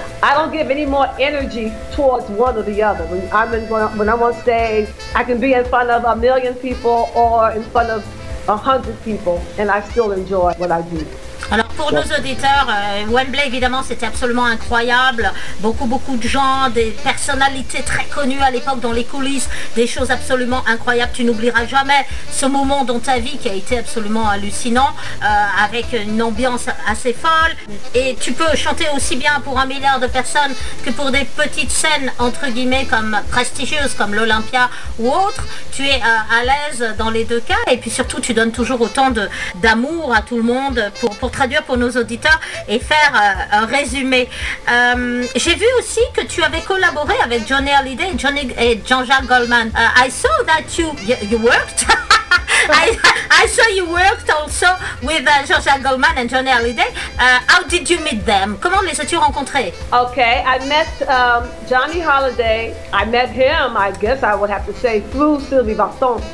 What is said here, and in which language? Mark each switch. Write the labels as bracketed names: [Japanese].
[English] I don't give any more energy towards one or the other. When I'm on stage, I can be in front of a million people or in front of 100 people, and I still enjoy what I do. [French] Alors pour nos auditeurs, Wembley évidemment c'était absolument incroyable, beaucoup de gens, des personnalités très connues à l'époque dans les coulisses, des choses absolument incroyables, tu n'oublieras jamais ce moment dans ta vie qui a été absolument hallucinant, avec une ambiance assez folle, et tu peux chanter aussi bien pour un milliard de personnes que pour des petites scènes entre guillemets comme prestigieuses comme l'Olympia ou autre, tu es à l'aise dans les deux cas, et puis surtout tu donnes toujours autant d'amour à tout le monde pour traduire pour nos auditeurs et faire un résumé. J'ai vu aussi que tu avais collaboré avec Johnny Hallyday et Jean-Jacques Goldman. [English] I saw that you worked. I saw you worked also with Jean-Jacques Goldman and Johnny Hallyday. How did you meet them? [French] Comment les as-tu rencontrés? [English] Okay, I met Johnny Hallyday. I met him, I guess I would have to say, through Sylvie Vartan.